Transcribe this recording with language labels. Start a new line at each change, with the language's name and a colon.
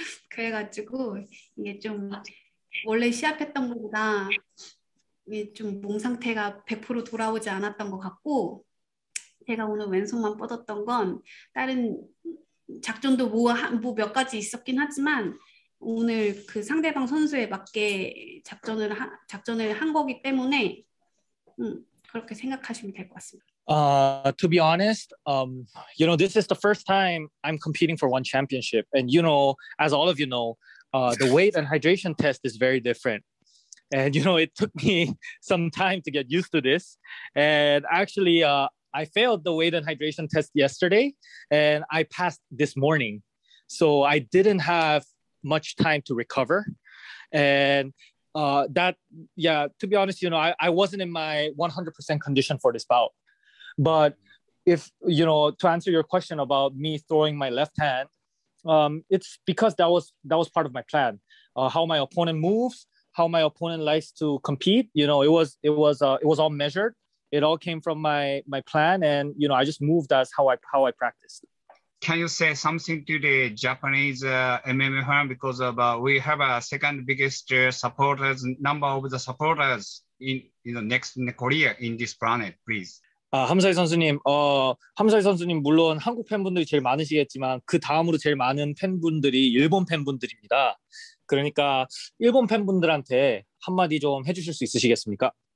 Korean: 그래가지고 이게 좀 원래 시합했던 것보다 이게 좀 몸 상태가 100% 돌아오지 않았던 것 같고 제가 오늘 왼손만 뻗었던 건 다른 작전도 뭐 몇 가지 있었긴 하지만 오늘 그 상대방 선수에 맞게 작전을 한 거기 때문에 그렇게 생각하시면 될 것 같습니다.
English: To be honest, you know, this is the first time I'm competing for one championship. And, you know, as all of you know, the weight and hydration test is very different. And, you know, it took me some time to get used to this. And actually, I failed the weight and hydration test yesterday and I passed this morning. So I didn't have much time to recover. And to be honest, you know, I wasn't in my 100% condition for this bout. But if, you know, to answer your question about me throwing my left hand, it's because that was part of my plan. How my opponent moves, how my opponent likes to compete, you know, it was all measured. It all came from my plan. And, you know, I just moved as how I practiced. Can you say something to the Japanese MMA fan? Because of, we have a second biggest supporters, number of the supporters in the Korea, in this planet, please.
Korean: 함사희 선수님, 함사희 선수님 물론 한국 팬분들이 제일 많으시겠지만 그 다음으로 제일 많은 팬분들이 일본 팬분들입니다. 그러니까 일본 팬분들한테 한마디 좀 해주실 수 있으시겠습니까?